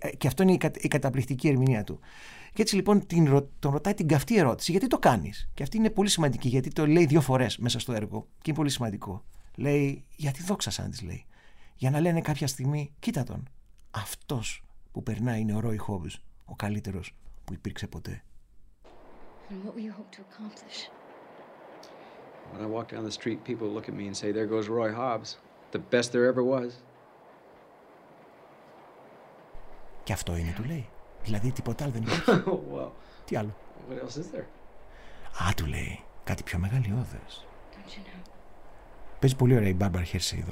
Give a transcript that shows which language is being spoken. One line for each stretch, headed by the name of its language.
Greek: Και αυτό είναι η καταπληκτική ερμηνεία του. Και έτσι λοιπόν τον ρωτάει την καυτή ερώτηση: γιατί το κάνεις? Και αυτή είναι πολύ σημαντική, γιατί το λέει δύο φορές μέσα στο έργο. Και είναι πολύ σημαντικό. Λέει: γιατί δόξασαν, της λέει. Για να λένε κάποια στιγμή: κοίτα τον. Αυτός που περνάει είναι ο Ρόι Χόμπς, ο καλύτερος που υπήρξε ποτέ.
English: And what will you hope to accomplish? When I walk down the street, people look at me and say, there goes Roy Hobbs, the best there ever was.
Greek: Και αυτό είναι, του λέει. Δηλαδή, τίποτα άλλο δεν υπάρχει.
English: Well,
Greek: τι άλλο?
English: What else is there?
Greek: Α, του λέει, κάτι πιο μεγαλειώδες.
English: Don't you know?
Greek: Παίζει πολύ ωραία η Barbara Hershey εδώ.